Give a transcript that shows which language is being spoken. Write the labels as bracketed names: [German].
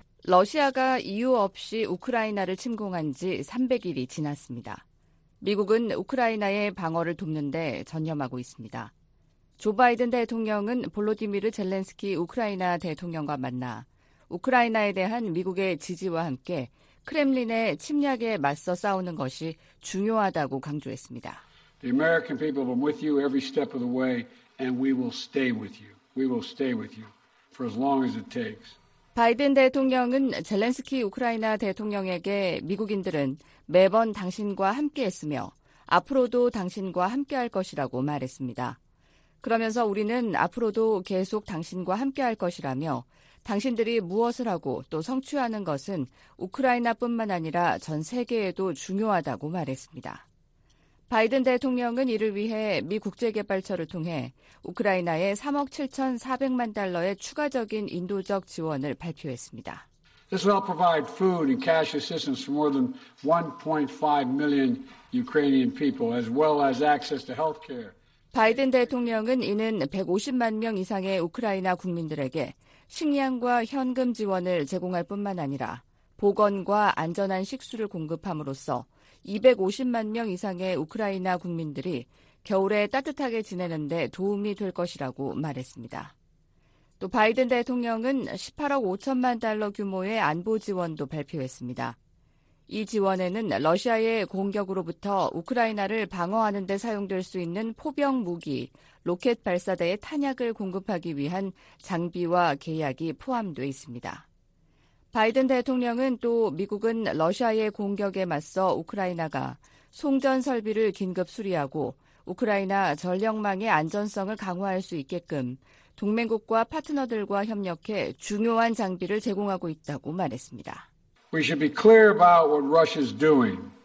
[Korean] 러시아가 이유 없이 우크라이나를 침공한 지 300일이 지났습니다. 미국은 우크라이나의 방어를 돕는 데 전념하고 있습니다. 조 바이든 대통령은 볼로디미르 젤렌스키 우크라이나 대통령과 만나 우크라이나에 대한 미국의 지지와 함께 크렘린의 침략에 맞서 싸우는 것이 중요하다고 강조했습니다. [English] The American people are with you every step of the way and we will stay with you. We will stay with you for as long as it takes. [Korean] 바이든 대통령은 젤렌스키 우크라이나 대통령에게 미국인들은 매번 당신과 함께했으며 앞으로도 당신과 함께할 것이라고 말했습니다. 그러면서 우리는 앞으로도 계속 당신과 함께할 것이라며 당신들이 무엇을 하고 또 성취하는 것은 우크라이나뿐만 아니라 전 세계에도 중요하다고 말했습니다. 바이든 대통령은 이를 위해 미 국제개발처를 통해 우크라이나에 3억 7,400만 달러의 추가적인 인도적 지원을 발표했습니다. [English] This will provide food and cash assistance for more than 1.5 million Ukrainian people, as well as access to healthcare. [Korean] 바이든 대통령은 이는 150만 명 이상의 우크라이나 국민들에게 식량과 현금 지원을 제공할 뿐만 아니라 보건과 안전한 식수를 공급함으로써 250만 명 이상의 우크라이나 국민들이 겨울에 따뜻하게 지내는 데 도움이 될 것이라고 말했습니다. 또 바이든 대통령은 18억 5천만 달러 규모의 안보 지원도 발표했습니다. 이 지원에는 러시아의 공격으로부터 우크라이나를 방어하는 데 사용될 수 있는 포병 무기, 로켓 발사대의 탄약을 공급하기 위한 장비와 계약이 포함돼 있습니다. 바이든 대통령은 또 미국은 러시아의 공격에 맞서 우크라이나가 송전 설비를 긴급 수리하고 우크라이나 전력망의 안전성을 강화할 수 있게끔 동맹국과 파트너들과 협력해 중요한 장비를 제공하고 있다고 말했습니다. [English] We should be clear about what Russia is doing.